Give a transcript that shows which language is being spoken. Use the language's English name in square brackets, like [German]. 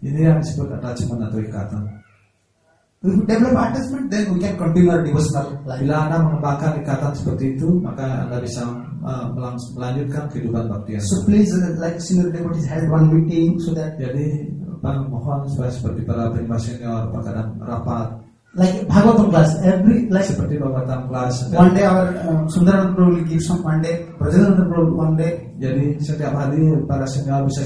[Indonesian] Ini yang disebut attachment atau ikatan. [English] If you develop attachment, then we can continue our devotional life. [Indonesian] Bila anda mengembangkan ikatan seperti itu, maka anda bisa melanjutkan kehidupan bhakti. [English] So please, like senior devotees, have one meeting so that. [Indonesian] Jadi, pak mohon supaya seperti para penyembah senior, pak ada rapat. [English] Like Bhagavatam class, every like. [Indonesian] Seperti Bhagavatam class. [English] One day our Sundaranand Prabhu will give some, one day Brajananda Prabhu one day. [Indonesian] Jadi setiap hari para senior bisa.